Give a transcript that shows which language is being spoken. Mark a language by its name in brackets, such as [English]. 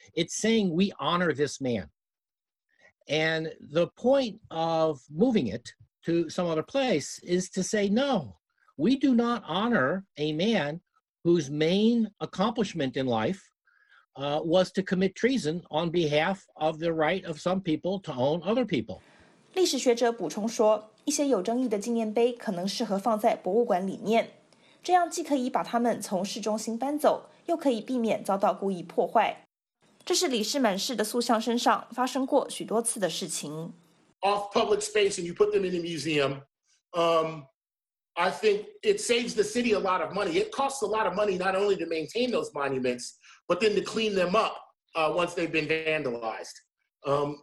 [English] It's saying we honor this man. And the point of moving it to some other place is to say, no, we do not honor a man whose main accomplishment in life, was to commit treason on behalf of the right of some people to own other people. [Chinese] 历史学者补充说，一些有争议的纪念碑可能适合放在博物馆里面，这样既可以把他们从市中心搬走，又可以避免遭到故意破坏。这是李士满氏的塑像身上发生过许多次的事情。 [English] Off public space and you put them in a museum, I think it saves the city a lot of money. It costs a lot of money not only to maintain those monuments, but then to clean them up, once they've been vandalized.